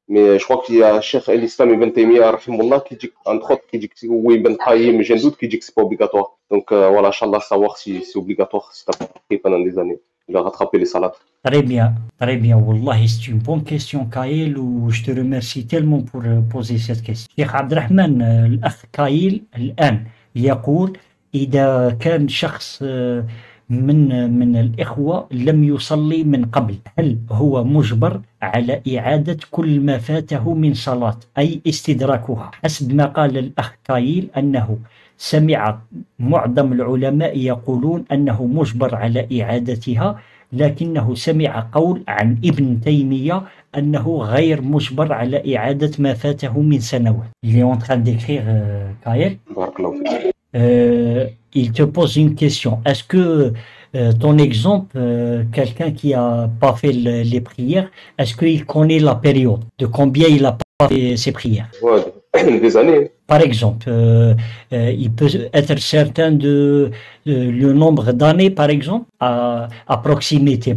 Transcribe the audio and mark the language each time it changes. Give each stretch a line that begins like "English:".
French: Mais je crois qu'il y a Cheikh El-Islam Ibn Taymiyyah, rahimullah, qui dit, entre autres, qui dit que oui, Ibn Qayyim, j'ai un doute, qui dit que ce n'est pas obligatoire. Donc voilà, Inch'Allah, savoir si c'est obligatoire, si tu as pris pendant des années, de rattraper les salats. Très bien. Wallahi, c'est une bonne question, Kaïl, ou je te remercie tellement pour poser cette question.
Arabic: Cheikh Abdelrahman, l'akh Kaïl, l'an, yaqoul, ida kan shakhs من الإخوة لم يصلي من قبل هل هو مجبر على إعادة كل ما فاته من صلاة أي استدراكها حسب ما قال الأخ كايل أنه سمع معظم العلماء يقولون أنه مجبر على إعادتها لكنه سمع قول عن ابن تيمية أنه غير مجبر على إعادة ما فاته من سنوات اليوم تخدر كايل بارك الله فيك
French: Il te pose une question. Est-ce que ton exemple, quelqu'un qui a pas fait les prières, est-ce qu'il connaît la période de combien il a pas fait ses prières? Ouais, des années. Par exemple, il peut être certain de le nombre d'années, par exemple, à proximité.